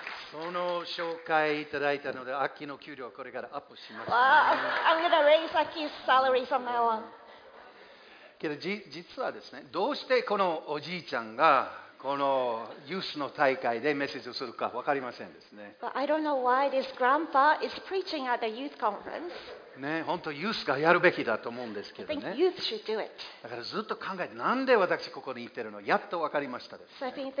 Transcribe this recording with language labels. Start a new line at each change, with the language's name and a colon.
Japanese: この紹介いただいたので、アッキーの給料これからアップします、ね。
English: Wow, I'm gonna raise Aki's salary from now on.
Japanese: けど実はですね、どうしてこのおじいちゃんがこのユースの大会でメッセージをするか分かりませんですね。
English: But I don't know why this grandpa is preaching at the youth conference.
Japanese: ね、本当ユースがやるべきだと思うんですけどね。だからずっと考えて、なんで私ここにいてるの、やっと分かりましたです、ね。